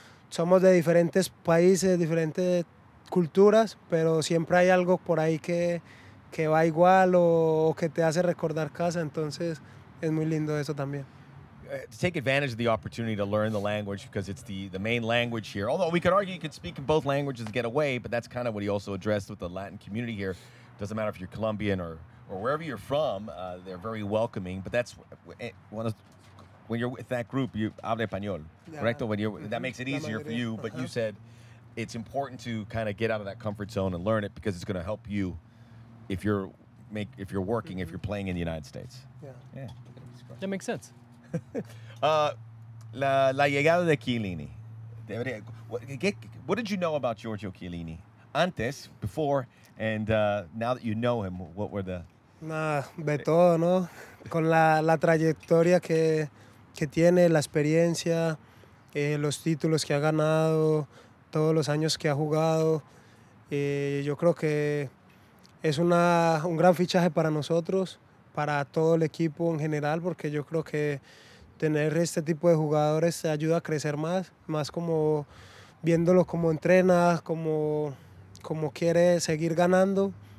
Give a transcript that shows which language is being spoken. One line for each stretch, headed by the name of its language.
Spanish: Somos de diferentes países, diferentes culturas, pero siempre hay algo por ahí que va igual o que te hace recordar casa, entonces es muy lindo eso también.
English: Take advantage of the opportunity to learn the language, because it's the main language here. Although we could argue you could speak in both languages and get away, but that's kind of what he also addressed with the Latin community here. Doesn't matter if you're Colombian or wherever you're from, they're very welcoming, but that's one of when you're with that group, you
Spanish: habla español, correcto?
English: When you're, that makes it easier for you, but you said it's important to kind of get out of that comfort zone and learn it, because it's going to help you if you're working, if you're playing in the United States. Yeah. That makes sense.
Spanish: la llegada de Chiellini.
English: What did you know about Giorgio Chiellini antes, before, and now that you know him, what were the...
Spanish: Nah, de todo, ¿no? Con la trayectoria que tiene, la experiencia, los títulos que ha ganado, todos los años que ha jugado, yo creo que es un gran fichaje para nosotros, para todo el equipo en general, porque yo creo que tener este tipo de jugadores ayuda a crecer más como viéndolo cómo entrena, cómo quiere seguir ganando.